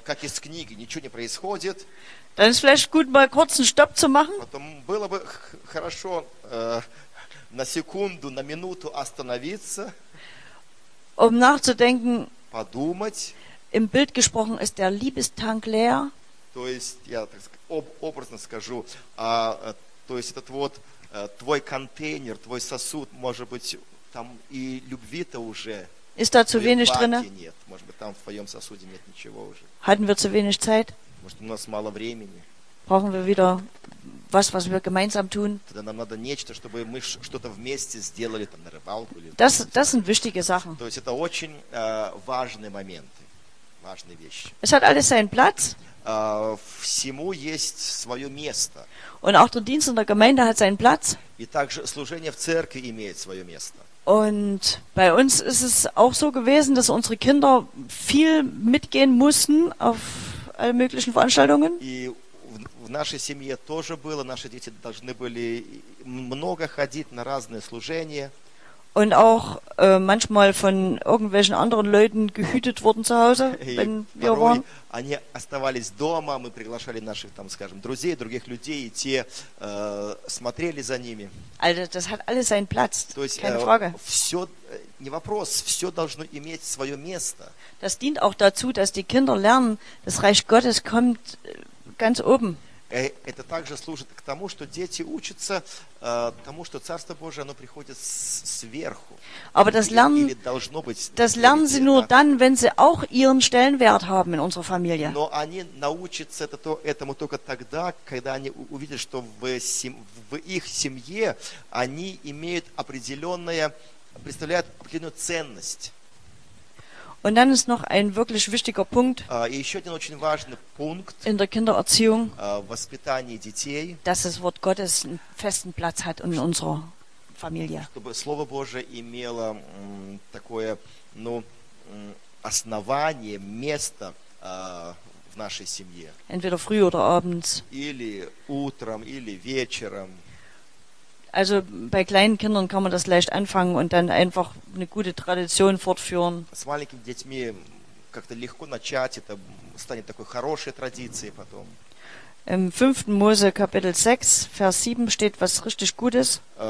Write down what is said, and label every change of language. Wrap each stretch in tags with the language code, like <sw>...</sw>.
<ru>Как из книги, ничего не происходит.</ru> <de>Dann ist vielleicht gut, mal kurz einen Stopp zu machen.</de> <ru>Потом было бы хорошо на секунду, на минуту остановиться.</ru> <de>Um nachzudenken.</de> <ru>Подумать.</ru> <de>Im Bild gesprochen ist der Liebestank leer.</de> <ru>То есть, я так образно скажу, то есть этот вот твой контейнер, твой сосуд, может быть, там и любви-то уже</ru> <de>ist da zu wenig drin?</de> <ru>Нет, может быть, там в твоем сосуде нет ничего уже.</ru> <de>Hatten wir zu wenig Zeit?</de> <ru>Может, у нас мало времени.</ru> <de>Brauchen wir wieder was, was wir gemeinsam tun?</de> <ru>Тогда нам надо нечто, чтобы мы что-то вместе сделали, там, на рыбалку. Или,</ru> <de>das, das sind wichtige Sachen.</de> <ru>То есть, это очень важные моменты, важные вещи.</ru> <de>Es hat alles seinen Platz.</de> <ru>Всему есть свое место.</ru> <de>Und auch der Dienst in der Gemeinde hat seinen Platz.</de> <ru>И также служение в церкви имеет свое место.</ru> <de>Und bei uns ist es auch so gewesen, dass unsere Kinder viel mitgehen mussten auf alle möglichen Veranstaltungen.</de> <ru>И в нашей семье тоже было, наши дети должны были много ходить на разные служения.</ru> <de>Und auch manchmal von irgendwelchen anderen Leuten gehütet wurden zu Hause, wenn wir waren.</de> <ru>Они оставались дома, мы приглашали наших, там, скажем, друзей, других людей, и те смотрели за ними.</ru> <de>Also, das hat alles seinen Platz,</de> <ru>то есть,</ru> <de>keine Frage.</de> <ru>Все, не вопрос, все должно иметь свое место.</ru> <de>Das dient auch dazu, dass die Kinder lernen, das Reich Gottes kommt ganz oben.</de> <ru>Это также служит к тому, что дети учатся тому, что Царство Божие, оно приходит сверху.</ru> <de>Aber das lernen,</de> <ru>или должно быть.</ru> <de>Das lernen sie nur dann, wenn sie auch ihren Stellenwert haben in unserer Familie.</de> <ru>Но они научатся этому только тогда, когда они увидят, что в их семье они имеют определенное, представляют определенную ценность.</ru> <de>Und dann ist noch ein wirklich wichtiger Punkt in der Kindererziehung,</de> <ru>детей,</ru> <de>dass das Wort Gottes einen festen Platz hat in unserer Familie.</de> <ru>Чтобы Слово Божие имело такое, ну, основание, место в нашей семье.</ru> <de>Entweder früh oder abends.</de> <ru>Или утром, или вечером.</ru> <de>Also bei kleinen Kindern kann man das leicht anfangen und dann einfach eine gute Tradition fortführen.</de> <ru>С маленькими детьми как-то легко начать, это станет такой хорошей традицией потом.</ru> <de>Im 5. Mose Kapitel 6, Vers 7 steht was richtig Gutes.</de>